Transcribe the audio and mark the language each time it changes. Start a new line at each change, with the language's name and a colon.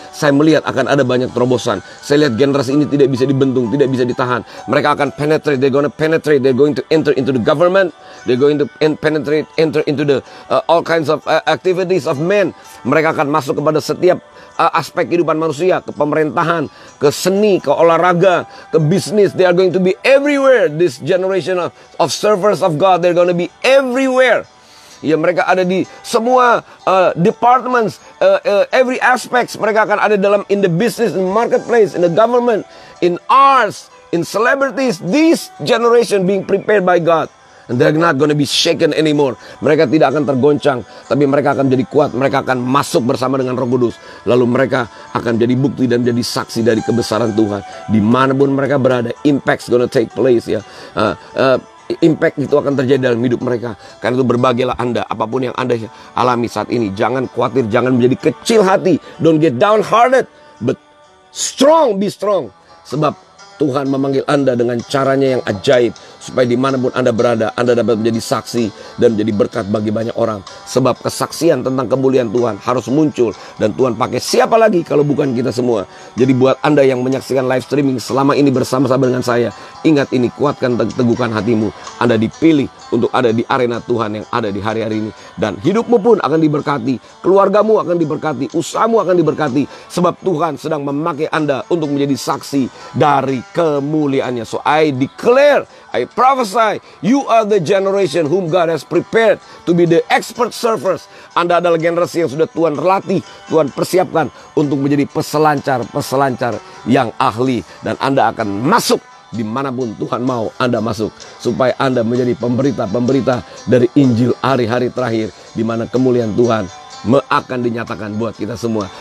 Indonesian: Saya melihat akan ada banyak terobosan. Saya lihat generasi ini tidak bisa dibendung, tidak bisa ditahan. Mereka akan
English: penetrate, they're gonna penetrate, they're going to enter into the government, they're going to penetrate, enter into the all kinds of activities of men.
Indonesian: Mereka akan masuk kepada setiap aspek kehidupan manusia, ke pemerintahan, ke seni, ke olahraga, ke bisnis.
English: They are going to be everywhere, this generation of servers of God. They're going to be everywhere.
Indonesian: Ya, mereka ada di semua
English: departments, every aspects.
Indonesian: Mereka akan ada dalam
English: in the business, in the marketplace, in the government, in arts, in celebrities. This generation being prepared by God. And they're not going to be shaken anymore.
Indonesian: Mereka tidak akan tergoncang, tapi mereka akan jadi kuat. Mereka akan masuk bersama dengan Roh Kudus. Lalu mereka akan jadi bukti dan menjadi saksi dari kebesaran Tuhan. Dimanapun mereka berada,
English: impact's going to take place.
Indonesian: Ya, impact itu akan terjadi dalam hidup mereka. Karena itu berbagilah Anda, apapun yang Anda alami saat ini. Jangan khawatir, jangan menjadi kecil hati.
English: Don't get downhearted, but strong, be strong.
Indonesian: Sebab Tuhan memanggil Anda dengan caranya yang ajaib, supaya dimanapun Anda berada, Anda dapat menjadi saksi dan menjadi berkat bagi banyak orang. Sebab kesaksian tentang kemuliaan Tuhan harus muncul. Dan Tuhan pakai siapa lagi kalau bukan kita semua. Jadi buat Anda yang menyaksikan live streaming selama ini bersama-sama dengan saya, ingat ini, kuatkan teguhkan hatimu. Anda dipilih untuk ada di arena Tuhan yang ada di hari-hari ini. Dan hidupmu pun akan diberkati, keluargamu akan diberkati, usahamu akan diberkati, sebab Tuhan sedang memakai Anda untuk menjadi saksi dari kemuliaan-Nya.
English: So I declare, I prophesy, you are the generation whom God has prepared to be the expert servers.
Indonesian: Anda adalah generasi yang sudah Tuhan latih, Tuhan persiapkan untuk menjadi peselancar-peselancar yang ahli. Dan Anda akan masuk dimanapun Tuhan mau Anda masuk, supaya Anda menjadi pemberita-pemberita dari Injil hari-hari terakhir, di mana kemuliaan Tuhan akan dinyatakan buat kita semua.